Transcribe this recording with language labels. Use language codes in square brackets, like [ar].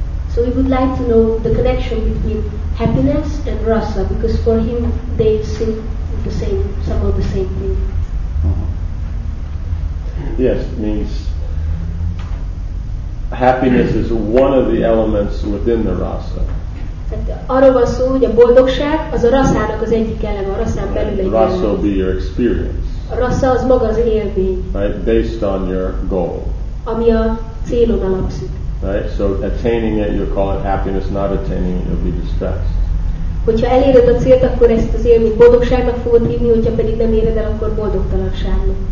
[en] So we would like to know the connection between happiness and rasa, because for him they seem the same, somehow the same thing. Yes, it means happiness is one of the elements within the rasa. [hu] Arra van szó, hogy a boldogság az a rasának az egyik eleme, a rasán belül egy [en] rasa will be your experience. [hu] A rasa az maga az élmény. [en] Right, based on your goal. [hu] Ami a célon alapszik. [en] Right, so attaining it, you call it happiness. Not attaining it, you'll be distressed. [hu] Hogyha eléred a célt, akkor ezt az élményt boldogságnak fogod hívni, hogyha pedig nem éred el, akkor boldogtalanságnak.